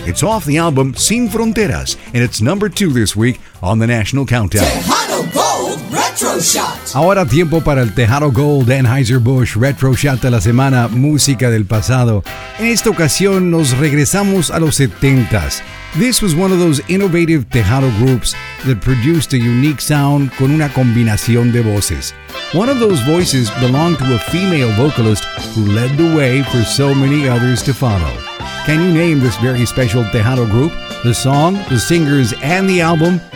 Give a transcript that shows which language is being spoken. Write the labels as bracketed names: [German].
[English] It's off the album Sin Fronteras, and it's number 2 this week on the National Countdown. Tejano Gold Retro Shot. [Spanish] Ahora tiempo para el Tejano Gold Anheuser-Busch Retro Shot de la semana, música del pasado. En esta ocasión nos regresamos a los 70s. [English] This was one of those innovative Tejano groups that produced a unique sound [Spanish] con una combinación de voces. [English] One of those voices belonged to a female vocalist who led the way for so many others to follow. Can you name this very special Tejano group, the song, the singers, and the album?